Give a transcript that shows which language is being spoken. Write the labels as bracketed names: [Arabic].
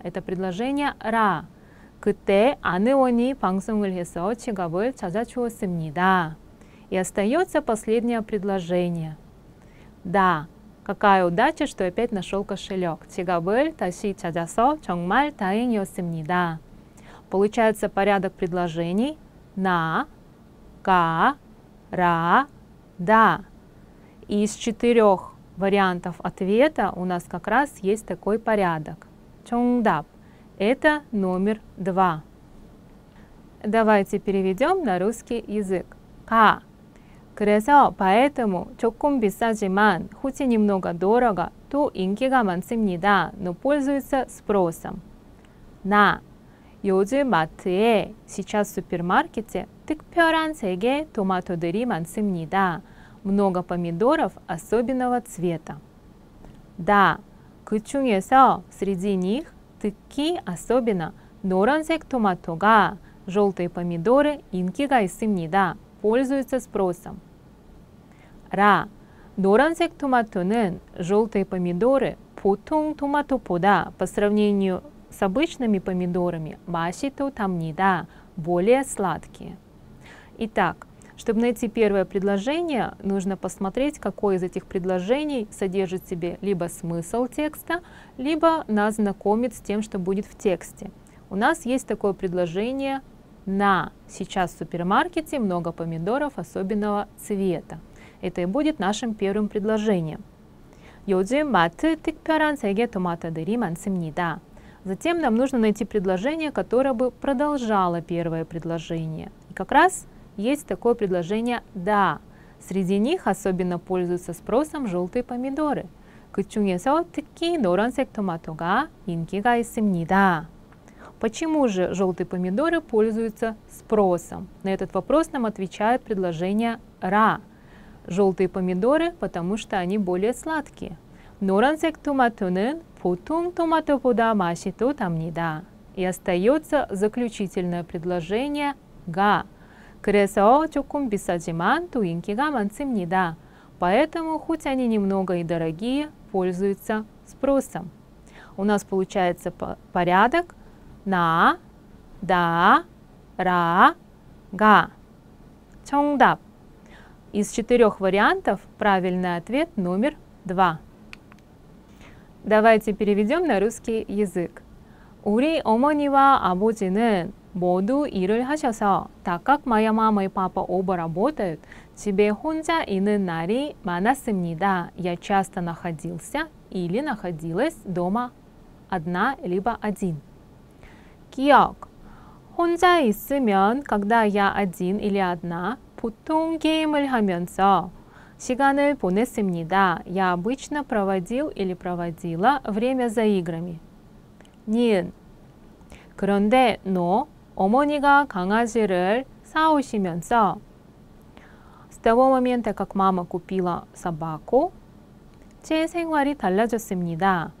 [Russian] Это предложение РА. [Korean] 그때 아내원이 방송을 해서 지갑을 찾아주었습니다. [Russian] И остается последнее предложение. Да, какая удача, что опять нашел кошелек. [Korean] 지갑을 다시 찾아서 정말 다행이었습니다. [Russian] Получается порядок предложений на, ка, ра, да. И из четырех вариантов ответа у нас как раз есть такой порядок. Чонгдап. Это номер два. Давайте переведем на русский язык. Ка. [Korean] 그래서 [Russian] поэтому [Korean] 조금 비싸지만 [Russian] хоть и немного дорого, то [Korean] 인기가 많습니다. [Russian] Но пользуется спросом. На. [Korean] 요즘 마트에 [Russian] сейчас в супермаркете [Korean] 특별한 색의 토마토들이 많습니다. [Russian] Много помидоров особенного цвета. Да. [Korean] 그 중에서 [Russian] среди них [Korean] 특히 [Russian] особенно [Korean] 노란색 토마토가 [Russian] желтые помидоры [Korean] 인기가 있습니다. [Russian] Пользуются спросом. Ра. [Korean] 노란색 토마토는 [Russian] желтые помидоры [Korean] 보통 토마토보다 [Russian] по сравнению с обычными помидорами [Korean] 맛이 더 답니다. [Russian] Более сладкие. Итак, чтобы найти первое предложение, нужно посмотреть, какое из этих предложений содержит в себе либо смысл текста, либо нас знакомит с тем, что будет в тексте. У нас есть такое предложение «На сейчас в супермаркете много помидоров особенного цвета». Это и будет нашим первым предложением. [Korean] 요즘 마트 특별한 색의 토마토들이 많습니다. [Russian] Затем нам нужно найти предложение, которое бы продолжало первое предложение. И как раз есть такое предложение «Да». Среди них особенно пользуются спросом желтые помидоры. [Korean] 그 중에서 특히 노란색 토마토가 인기가 있습니다. [Russian] Почему же желтые помидоры пользуются спросом? На этот вопрос нам отвечает предложение «Ра». Желтые помидоры, потому что они более сладкие. [Korean] 노란색 토마토는 보통 토마토보다 맛이 더 답니다. [Russian] И остается заключительное предложение «Га». [Korean] 그래서 조금 비싸지만 또 인기가 많습니다. [Russian] Поэтому, хоть они немного и дорогие, пользуются спросом. У нас получается порядок «На», «Да», «Ра», «Га». [Korean] 정답. [Russian] Из четырех вариантов правильный ответ номер два. Давайте переведем на русский язык. [Korean] 우리 어머니와 아버지는 모두 일을 하셔서, [Russian] так как моя мама и папа оба работают, [Korean] 집에 혼자 있는 날이 많았습니다. [Russian] Я часто находился или находилась дома одна либо один. [Korean] 기억. 혼자 있으면, [Russian] когда я один или одна, [Korean] 보통 게임을 하면서 시간을 보냈습니다. [Russian] Я обычно проводил или проводила время за играми. 닌. [Korean] 그런데 [Russian] но [Korean] 어머니가 강아지를 사오시면서 [Russian] с того момента, как мама купила собаку, [Korean] 제 생활이 달라졌습니다.